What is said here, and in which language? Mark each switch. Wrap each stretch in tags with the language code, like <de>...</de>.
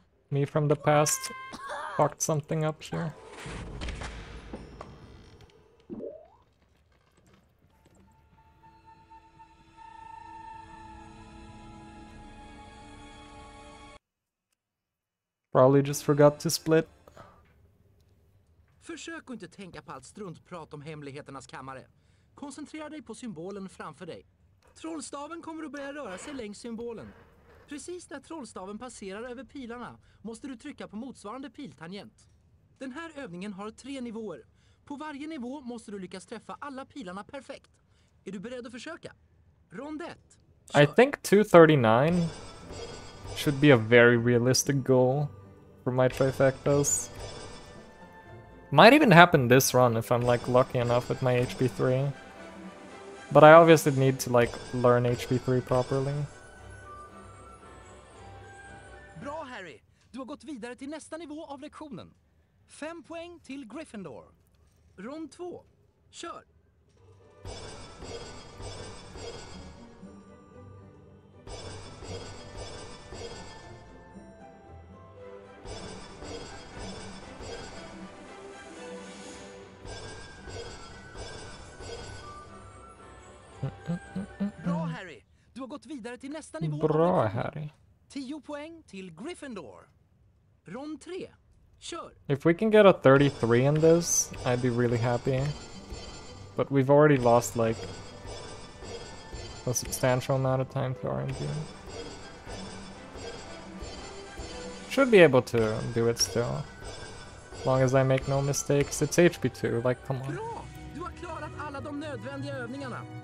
<en>Me from the past fucked something up here. Probably just forgot to split.</en> <sv>Försök inte tänka på allt struntprat om hemligheternas kammare. Koncentrera dig på symbolen framför dig. Trollstaven kommer att börja röra sig längs symbolen. Precis när trollstaven passerar över pilarna måste du trycka på motsvarande piltangent. Den här övningen har 3 nivåer. På varje nivå måste du lyckas träffa alla pilarna perfekt. Är du beredd att försöka? Rond 1.</sv> <en>I think 239 should be a very realistic goal. My trifectas might even happen this run if I'm like lucky enough with my HP 3, but I obviously need to like learn HP 3 properly.</en> <sv>Bra, Harry. Du har gått vidare till nästa nivå av lektionen. 5 poäng till Gryffindor. Rund 2. Kör. Bra, Harry. Du har gått vidare till nästa nivå. Bra, Harry. 10 poäng till Gryffindor. Rond 3. Kör.</sv> <en>If we can get a 33 in this, I'd be really happy. But we've already lost like a substantial amount of time to RNG. Should be able to do it still. As long as I make no mistakes. It's HP 2, like come on.</en> <sv>Bra. Du har klarat alla de nödvändiga övningarna.</sv>